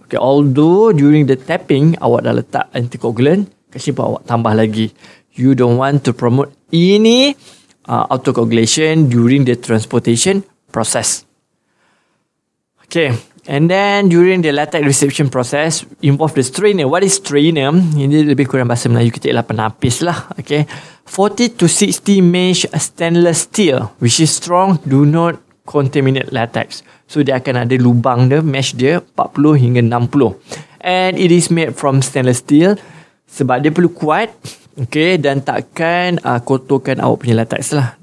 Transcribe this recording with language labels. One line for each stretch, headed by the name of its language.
English: Okay, although during the tapping
Malay: awak dah letak anticoagulant, kasi pun awak tambah lagi.
English: You don't want to promote any autocoagulation during the transportation process. Okay, and then during the latex reception process, involve the strainer. What is strainer?
Malay: Ini lebih kurang bahasa Melayu, kita ialah penapis lah.
English: Okay, 40 to 60 mesh stainless steel, which is strong, do not contaminate latex.
Malay: So, dia akan ada lubang dia, mesh dia 40 hingga 60.
English: And it is made from stainless steel
Malay: sebab dia perlu kuat. Okay, dan takkan kotorkan awak punya latex lah.